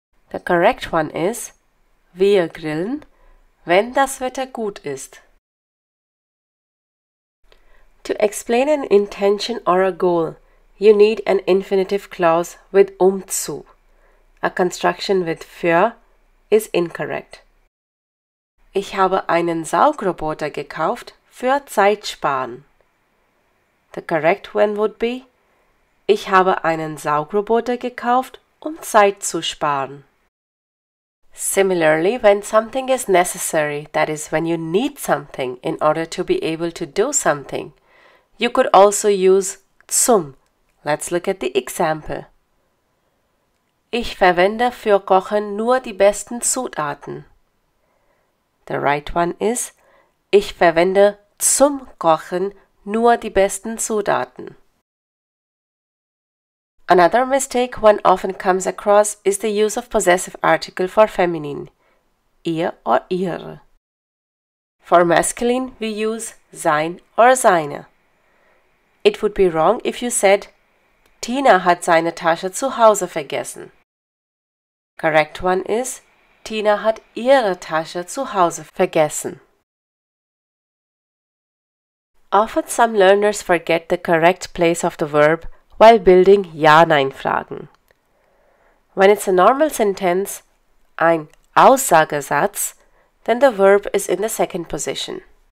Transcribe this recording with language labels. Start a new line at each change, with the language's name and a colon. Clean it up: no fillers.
English: The correct one is
German: Wir grillen, wenn das Wetter gut ist.
English: To explain an intention or a goal, you need an infinitive clause with zu. A construction with für is incorrect.
German: Ich habe einen Saugroboter gekauft für Zeit sparen.
English: The correct one would be
German: Ich habe einen Saugroboter gekauft, Zeit zu sparen.
English: Similarly, when something is necessary, that is when you need something in order to be able to do something, you could also use zum. Let's look at the example.
German: Ich verwende für Kochen nur die besten Zutaten.
English: The right one is
German: Ich verwende zum Kochen nur die besten Zutaten.
English: Another mistake one often comes across is the use of possessive article for feminine, ihr or ihre. For masculine, we use sein or seine. It would be wrong if you said,
German: Tina hat seine Tasche zu Hause vergessen.
English: Correct one is,
German: Tina hat ihre Tasche zu Hause vergessen.
English: Often some learners forget the correct place of the verb while building Ja-Nein-Fragen. When it's a normal sentence, ein Aussagesatz, then the verb is in the second position.